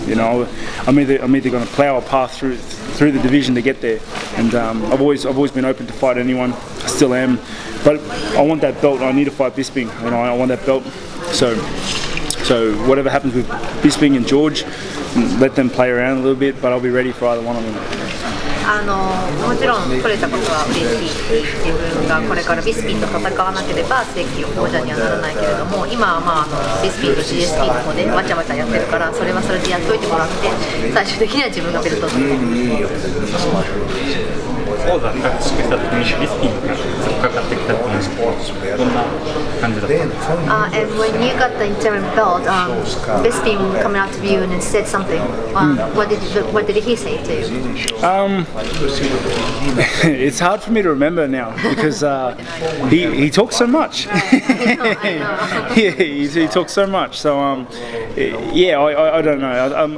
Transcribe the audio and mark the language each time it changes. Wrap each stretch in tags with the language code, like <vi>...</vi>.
<en>You know, I'm either going to plow a path through the division to get there, and I've always been open to fight anyone. I still am, but I want that belt. I need to fight Bisping, and I want that belt. So whatever happens with Bisping and George, let them play around a little bit, but I'll be ready for either one of them.</en> <ja>もちろん取れたことは嬉しいし、自分がこれからビスピンと戦わなければ正規王者にはならないけれども、今はまあビスピンと GSP の方でわちゃわちゃやってるから、それはそれでやっといてもらって、最終的には自分がベルトを取る。王座獲得した時にビスピンがずっとかかってきた時にどんな感じだったの？</ja> <en>And when you got the interim belt, Bisping coming up to you and said something. What did he say to you? It's hard for me to remember now because he talks so much. he talks so much. So I don't know.</en>